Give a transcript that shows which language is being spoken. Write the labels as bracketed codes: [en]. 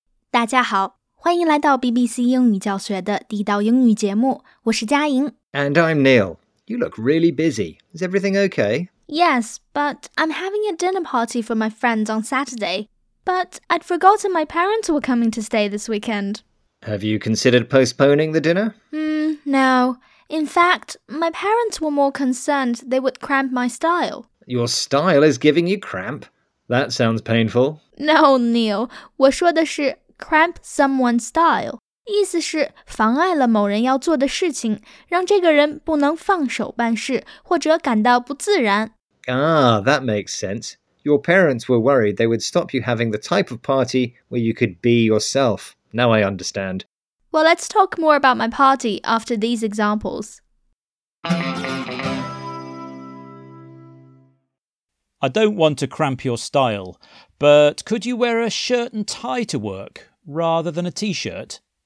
[zh] 大家好，欢迎来到 BBC 英语教学的地道英语节目，我是佳莹。 [en] And I'm Neil. You look really busy. Is everything okay? Yes, but I'm having a dinner party for my friends on Saturday. But I'd forgotten my parents were coming to stay this weekend. Have you considered postponing the dinner? No. In fact, my parents were more concerned they would cramp my style. Your style is giving you cramp? That sounds painful. No, Neil. [zh] 我说的是 [en] cramp someone's style. [zh] 意思是妨碍了某人要做的事情，让这个人不能放手办事，或者感到不自然。 [en] Ah, that makes sense. Your parents were worried they would stop you having the type of party where you could be yourself. Now I understand. Well, let's talk more about my party after these examples. I don't want to cramp your style, but could you wear a shirt and tie to work rather than a t-shirt?